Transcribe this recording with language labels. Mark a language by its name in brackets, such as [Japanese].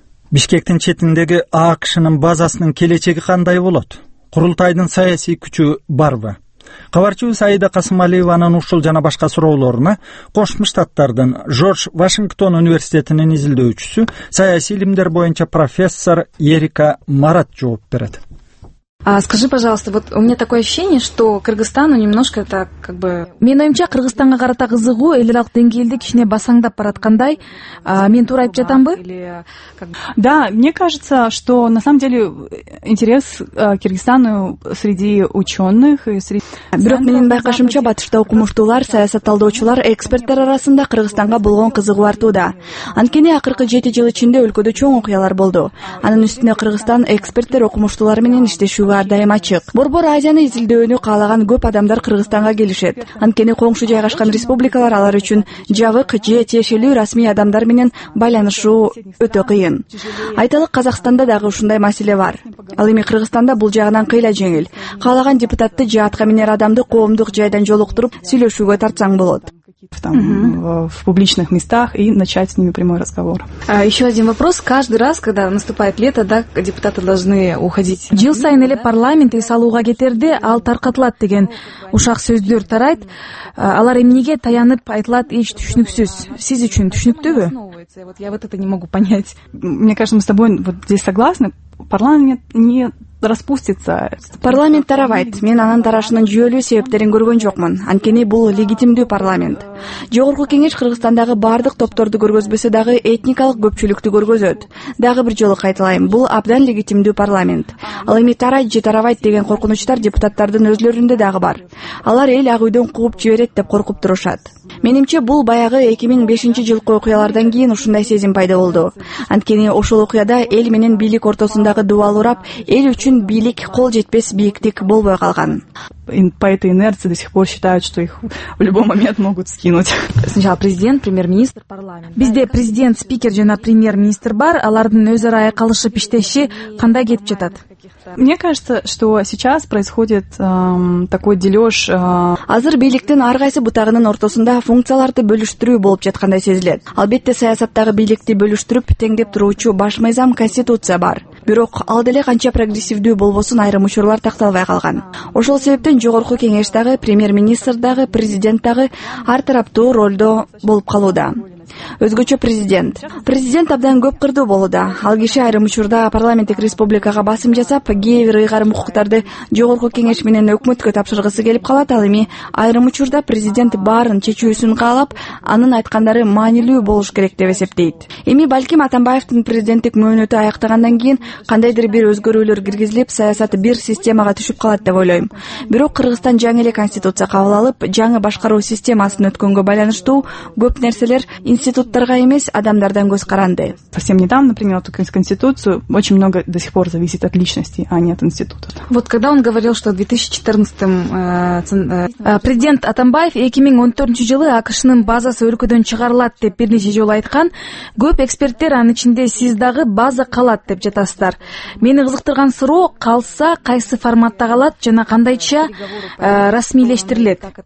[Kyrgyz] Бишкектин четиндеги АКШнын базасынын келечеги кандай болот? Курултайдын саясий күчү барбы? Кабарчыбыз Аида Касымалиеванын ушул жана башка суроолоруна Кошмо Штаттардын Жорж Вашингтон университетинин изилдөөчүсү, саясий илимдер боюнча профессор Ерика Марат жооп берет. [Russian] Скажи, пожалуйста, вот у меня такое ощущение, что Кыргызстан, ну, немножко так, как бы... [Kyrgyz] Мен оймча, Кыргызстанга карата кызыгуу эл аралык деңгээлде кичине басаңдап бараткандай, мен туура айтып жатамбы? [Russian] Да, мне кажется, что на самом деле интерес Кыргызстану среди учёных... [Kyrgyz] Бирок менин байкашымча, батышта окумуштуулар, саясат талдоочулар, эксперттер арасында Кыргызстанга болгон кызыгуу артууда. Анткени акыркы 7 жыл ичинде өлкөдө чоң окуялар болду. Анын үстүнө Кыргызстан эксперттер окумуштуулар менен иштеш шугар дайым ачык. Борбор Азияны изилдөөнү каалаган көп адамдар Кыргызстанга келишет. Анткени коңшу жайгашкан республикалар алар үчүн жабык же тиешелүү расмий адамдар менен байланышуу өтө кыйын. Айталык, Казакстанда дагы ушундай маселе бар. Ал эми Кыргызстанда бул жагынан кыйла жеңил. Каалаган депутатты же атка минер адамды коомдук жайдан жолуктуруп сүйлөшүүгө тартсаң болот. [Russian] Там, в публичных местах и начать с ними прямой разговор. Еще один вопрос. Каждый раз, когда наступает лето, да, депутаты должны уходить. [Kyrgyz] Жыл сайын эле парламент салууга кетерде ал таркатылат деген ушак сөздөр тарайт. Алар эмнеге таянып айтылат эч түшүнүксүз. Сиз үчүн түшүнүктүүбү? [Russian] Вот я вот это не могу понять. Мне кажется, мы с тобой вот здесь согласны. Парламент не распустится. [Kyrgyz] Парламент тарабайт. Мен анын тарашынын жүйөлүү себептерин көргөн жокмун. Анткени бул легитимдүү парламент. Жогорку кеңеш Кыргызстандагы бардык топторду көргөзбөсө дагы этникалык көпчүлүктү көргөзөт. Дагы бир жолу кайталайм, бул абдан легитимдүү парламент. Ал эми тарайт же тарабайт деген коркунучтар депутаттардын өзлөрүндө дагы бар. Алар эл ак үйдөн кууп жиберет деп коркуп турушат. Менимче бул баягы 2005 жылкы окуялардан кийин ушундай сезим пайда болду. Анткени ошол окуяда эл менен бийлик ортосундагы дубал урап, эл үчүн бийлик кол жетпес бийиктик болбой калган. [Russian] По этой инерции до сих пор считают, что их в любой момент могут скинуть. Сначала президент, премьер-министр, парламент. [Kyrgyz] Бизде президент, спикер жана премьер-министр бар, алардын өз ара айкалышып иштеши кандай кетип жатат? [Russian] Мне кажется, что сейчас происходит такой дележ. [Kyrgyz] Азыр бийликтин ар кайсы бутагынын ортосунда функцияларды бөлүштүрүү болуп жаткандай сезилет. Албетте, саясаттагы бийликти бөлүштүрүп теңдеп туруучу баш мыйзам конституция бар. Бирок ал деле канча прогрессивдүү болбосун, айрым учурлар такталбай калган. Ошол себептен жогорку кеңеш дагы, премьер-министр дагы, президент дагы ар тараптуу ролдо болуп калууда. Өзгөчө президент. Президент абдан көп кырдуу болууда. Ал киши айрым учурда парламенттик республикага басым жасап, кээбир ыйгарым укуктарды жогорку кеңеш менен өкмөткө тапшыргысы келип калат. Ал эми айрым учурда президент баарын чечүүсүн каалап, анын айткандары маанилүү болуш керек деп эсептейт. Эми балким Атамбаевдин президенттик мөөнөтү аяктагандан кийин кандайдыр бир өзгөрүүлөр киргизилип, саясат бир системага түшүп калат деп ойлойм. Бирок Кыргызстан жаңы эле конституция кабыл алып, жаңы башкаруу системасын өткөнгө байланыштуу көп нерселер институттарга эмес, адамдардан көз каранды. [Russian] Совсем недавно принял эту конституцию. Очень много до сих пор зависит от личности, а не от института. Вот когда он говорил, что в 2014-м президент [Kyrgyz] Атамбаев 2014 жылы АКШ-нын базасы өлкөдөн чыгарылат деп бир нече жолу айткан, көп эксперттер анын ичинде сиз дагы база калат деп жатасыздар. Мени кызыктырган суроо калса, кайсы форматта калат жана кандайча расмийлештирилет?